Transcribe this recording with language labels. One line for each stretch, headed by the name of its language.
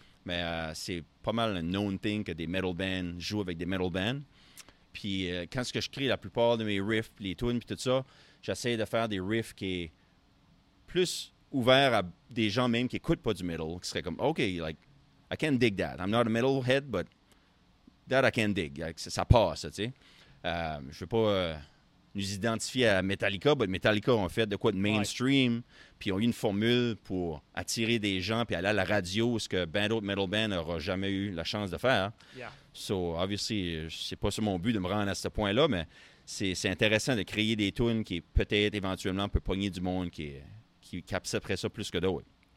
French: Mais c'est pas mal un
English: known thing
French: que des metal bands jouent avec des metal bands. Puis quand ce que je crée la plupart de mes riffs, les tunes, puis tout ça, j'essaie de faire des riffs qui est plus ouvert à des gens même qui n'écoutent pas du metal, qui seraient comme,
English: OK, like, I can dig that. I'm not a metal head, but that I can dig. Like,
French: ça passe, tu sais. Je ne veux pas nous identifier à Metallica, mais Metallica ont fait de quoi de mainstream.
English: Right.
French: Puis, ils ont eu une formule pour attirer des gens puis aller à la radio, ce que ben d'autres metal bands n'auraient jamais eu la chance de faire. Yeah.
English: So, obviously,
French: c'est pas sur mon but de me rendre à ce point-là, mais c'est intéressant de créer des tunes qui, peut-être, éventuellement, peut pogner du monde qui accepterait ça plus que d'autres.